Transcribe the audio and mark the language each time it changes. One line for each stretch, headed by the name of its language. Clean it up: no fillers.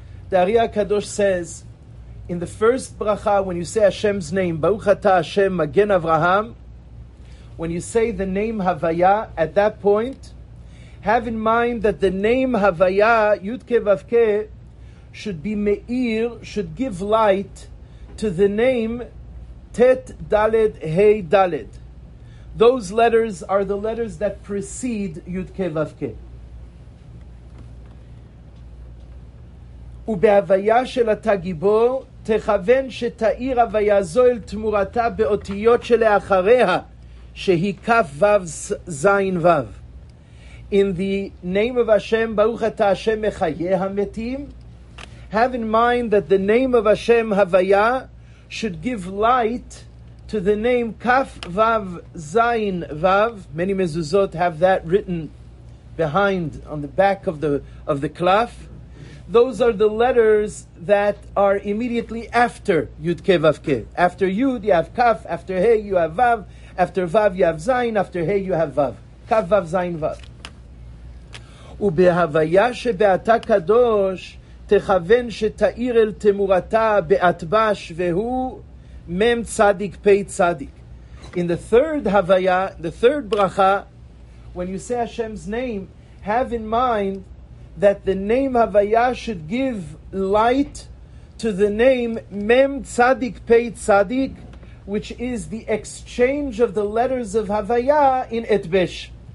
English: The Ari HaKadosh says, in the first bracha, when you say Hashem's name,
Hebrew: Baruch Ata Hashem Magen Avraham,
English: when you say the name Havaya, at that point, have in mind that the name Havaya, Yudke Vavke, should be Meir, should give light to the name Tet Daled Hey Daled. Those letters are the letters that precede Yudke Vavke.
Hebrew: ובהוויה של התגיבור תכוון שתאיר הוויה זו אל תמורתה באותיות שלאחריה שהיא כף וו זין וו.
English: In the name of Hashem,
Hebrew: ברוך אתה השם מחיי המתים,
English: have in mind that the name of Hashem, הוויה, should give light to the name כף וו זין וו. Many mezuzot have that written behind, on the back of the klaf. Those are the letters that are immediately after Yud Kei Vav Kei. After Yud, you have Kaf. After Hey, you have Vav. After Vav, you have Zayin. After Hey, you have Vav. Kaf, Vav, Zayin, Vav.
Hebrew: ובהוויה שבעתה קדוש, תכוון שתאיר אל תמורתה באטבש, והוא מם צדיק פי צדיק.
English: In the third הוויה, the third bracha, when you say Hashem's name, have in mind that the name Havaya should give light to the name Mem Tzadik Pei Tzadik, which is the exchange of the letters of Havaya in Etbesh.